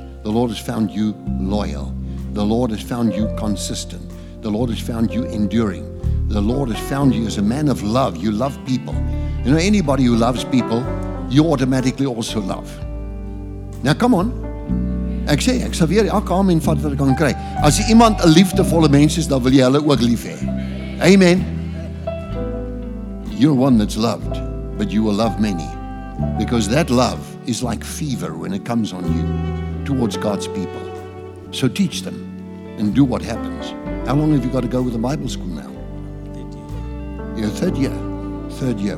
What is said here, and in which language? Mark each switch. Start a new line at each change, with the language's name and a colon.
English: The Lord has found you loyal. The Lord has found you consistent. The Lord has found you enduring. The Lord has found you as a man of love. You love people. You know, anybody who loves people, you automatically also love. Now, come on.
Afrikaans: Ek sê, ek sal weer elke amen vat wat ek kan kry. As iemand 'n liefdevolle mens is, dan wil jy hulle ook lief hê.
English: Amen. You're one that's loved, but you will love many. Because that love is like fever when it comes on you towards God's people. So teach them and do what happens. How long have you got to go with the Bible school now? Your third year. Third year.